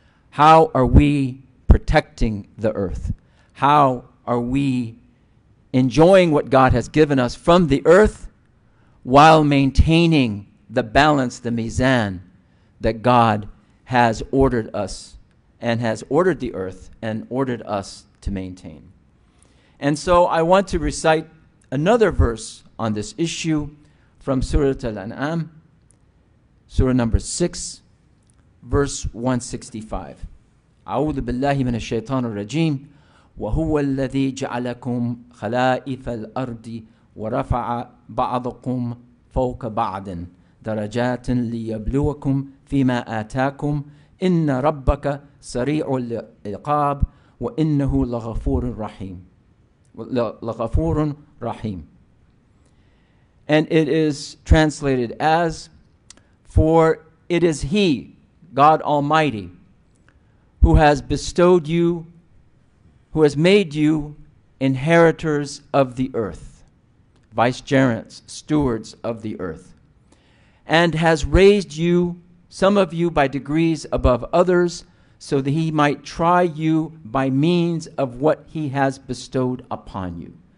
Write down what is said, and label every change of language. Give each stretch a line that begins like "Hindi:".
English: How are we protecting the earth? How are we enjoying what God has given us from the earth while maintaining the balance, the mizan, that God has ordered us and has ordered the earth and ordered us to maintain? And so I want to recite another verse on this issue from Surah Al-An'am, Surah number 6, verse 165.
Arabic: أعوذ بالله من الشيطان الرجيم وهو الذي جعلكم خلائف الأرض ورفع بعضكم فوق بعض درجات ليبلوكم فيما آتاكم إن ربك سريع العقاب وإنه لغفور رحيم لغفور رحيم.
English: And it is translated as, for it is He, God Almighty, who has bestowed you, who has made you inheritors of the earth, vicegerents, stewards of the earth, and has raised you, some of you, by degrees above others, so that He might try you by means of what He has bestowed upon you.